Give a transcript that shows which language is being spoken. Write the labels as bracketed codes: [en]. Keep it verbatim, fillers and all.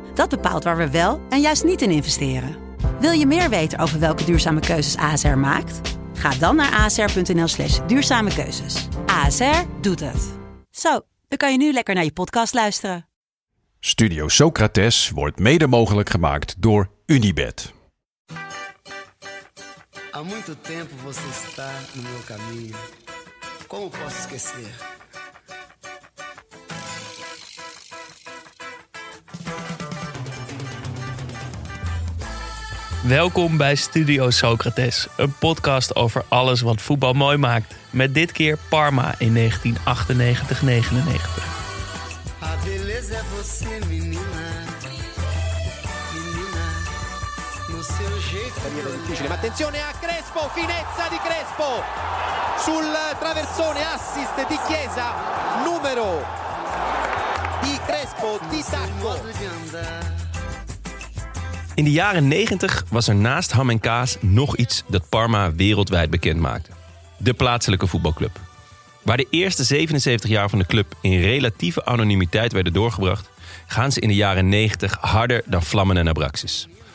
[nl] Dat bepaalt waar we wel en juist niet in investeren. Wil je meer weten over welke duurzame keuzes A S R maakt? Ga dan naar asr.nl slash duurzame keuzes. A S R doet het. Zo, dan kan je nu lekker naar je podcast luisteren. Studio Socrates wordt mede mogelijk gemaakt door Unibed. [pt] Há muito tempo você está no meu caminho. Como posso esquecer? [nl] Welkom bij Studio Socrates, een podcast over alles wat voetbal mooi maakt. Met dit keer Parma in negentien achtennegentig negenennegentig. [pt] É você, menina, menina, no seu jeito. [it] Ma attenzione a Crespo, finezza di Crespo sul traversone, assist di Chiesa, numero di Crespo, di tacco. [nl] In de jaren negentig was er naast ham en kaas nog iets dat Parma wereldwijd bekend maakte: de plaatselijke voetbalclub. Waar de eerste zevenenzeventig jaar van de club in relatieve anonimiteit werden doorgebracht, gaan ze in de jaren negentig harder dan vlammen en abraxas.